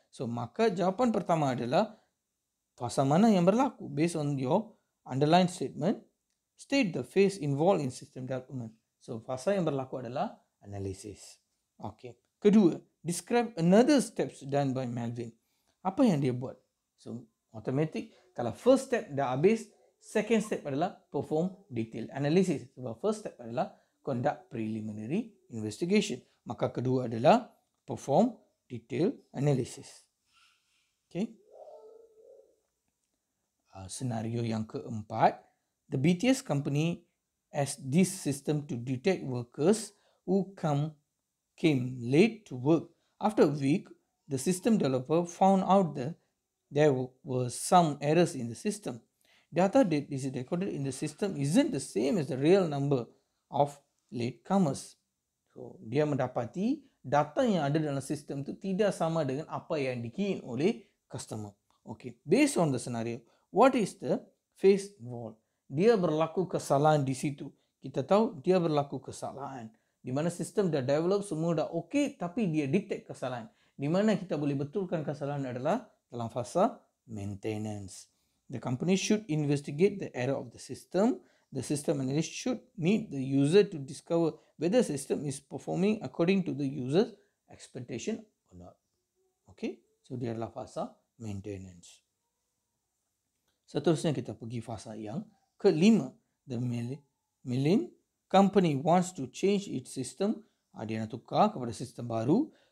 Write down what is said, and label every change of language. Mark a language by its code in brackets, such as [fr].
[ms] So, maka jawapan pertama adalah fasa mana yang berlaku? [en] Based on your underlined statement, state the phase involved in system development. [ms] So, fasa yang berlaku adalah analysis. Okay. Kedua, [en] describe another steps done by Melvin. [ms] Apa yang dia buat? So, automatic, kalau first step dah habis, second step adalah perform detailed analysis. Sebab first step adalah conduct preliminary investigation. Maka kedua adalah perform detailed analysis. Okay. Senario yang keempat, [en] the BTS company has this system to detect workers who came late to work. After a week, the system developer found out that there were some errors in the system. Data that is recorded in the system isn't the same as the real number of latecomers. [ms] So, dia mendapati data yang ada dalam sistem itu tidak sama dengan apa yang dikirim oleh customer. [en] Okay, based on the scenario, what is the phase involved? [ms] Dia berlaku kesalahan di situ. Kita tahu dia berlaku kesalahan. di mana sistem dah develop, semua dah okey, tapi dia detect kesalahan. Di mana kita boleh betulkan kesalahan adalah dalam fasa maintenance. [en] The company should investigate the error of the system. The system analyst should meet the user to discover whether the system is performing according to the user's expectation or not. [ms] Okay, so dia adalah fasa maintenance. Seterusnya kita pergi fasa yang kelima. [en] The milling company wants to change its system. [ms] Dia nak tukar kepada sistem baru.